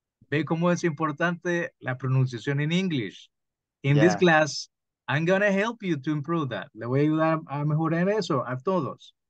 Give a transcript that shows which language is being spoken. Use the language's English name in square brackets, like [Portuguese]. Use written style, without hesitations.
[Spanish] Ve cómo es importante la pronunciación en English. [English] In this Yeah. class, I'm gonna help you to improve that. [Spanish] Le voy a ayudar a mejorar eso a todos.